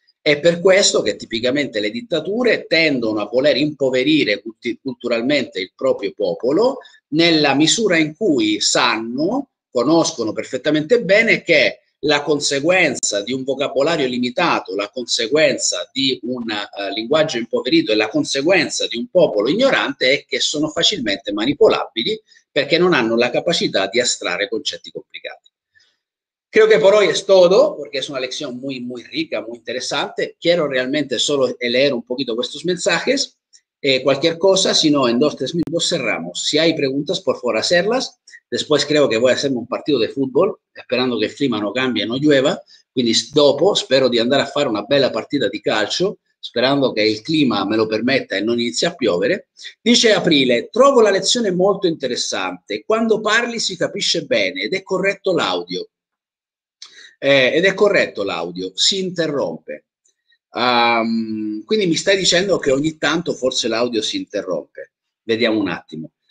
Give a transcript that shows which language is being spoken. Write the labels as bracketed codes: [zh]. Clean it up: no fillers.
[it] È per questo che tipicamente le dittature tendono a voler impoverire culturalmente il proprio popolo, nella misura in cui sanno, conoscono perfettamente bene che la conseguenza di un vocabolario limitato, la conseguenza di un linguaggio impoverito e la conseguenza di un popolo ignorante è che sono facilmente manipolabili perché non hanno la capacità di astrarre concetti complicati. [es] Creo que por hoy es todo, porque es una lección muy, muy rica, muy interesante. Quiero realmente solo leer un poquito estos mensajes. Cualquier cosa, si no, en 2 o 3 minutos cerramos. Si hay preguntas, por favor, hacerlas. Después creo que voy a hacerme un partido de fútbol, esperando que el clima no cambie, no llueva. [it] Quindi, dopo, espero di andare a fare una bella partita di calcio, sperando che il clima me lo permetta e non inizi a piovere. Dice Aprile, trovo la lezione molto interessante. Quando parli si capisce bene ed è corretto l'audio. Ed è corretto l'audio, si interrompe. Quindi mi stai dicendo che ogni tanto forse l'audio si interrompe. Vediamo un attimo.